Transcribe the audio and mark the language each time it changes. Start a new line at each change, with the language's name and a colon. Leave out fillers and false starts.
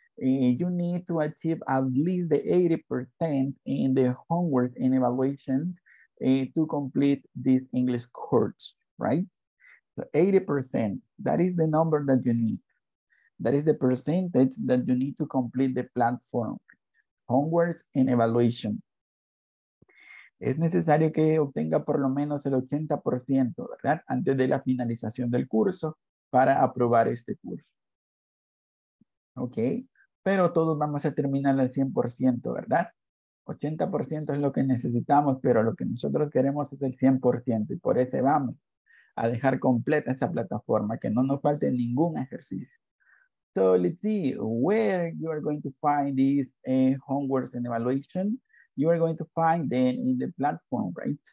English: You need to achieve at least the 80% in the homework and evaluation to complete this English course, right? So 80%, that is the number that you need. That is the percentage that you need to complete the platform, homework and evaluation.
Spanish: Es necesario que obtenga por lo menos el 80%, ¿verdad? Antes de la finalización del curso para aprobar este curso. Ok, pero todos vamos a terminar al 100%, ¿verdad? 80% es lo que necesitamos, pero lo que nosotros queremos es el 100%. Y por eso vamos a dejar completa esa plataforma, que no nos falte ningún ejercicio.
English: So let's see where you are going to find this homework and evaluation. You are going to find them in the platform, right?